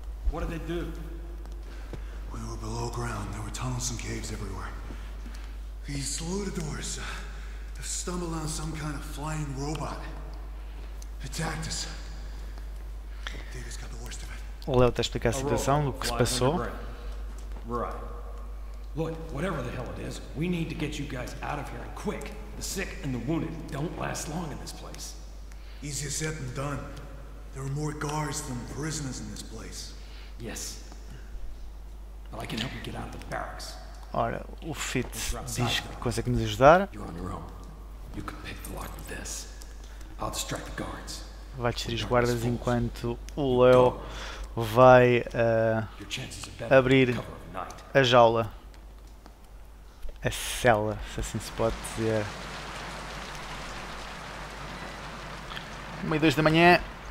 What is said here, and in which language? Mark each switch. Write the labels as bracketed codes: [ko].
[en] What did they do? We were below ground. There were tunnels and caves everywhere. These Ludadors have stumbled on some kind of flying robot. Attacked us. David's got the worst of it. [pt] O Leo está a explicar a situação, o que se passou. [en] Right. Look, whatever the hell it is, we need to get you guys out of here and quick. The sick and the wounded don't last long in this place. Easier said than done. There are more guards than prisoners in this place. Yes. But I can help you get out of the barracks. [pt] Ora, o Fitz diz que consegue nos ajudar. [en] You're on your own. You can pick the lock with this. I'll distract the guards. [pt] Vai distrair os guardas enquanto o Leo vai abrir a jaula, a cela, se assim se pode dizer. 1:02 da manhã.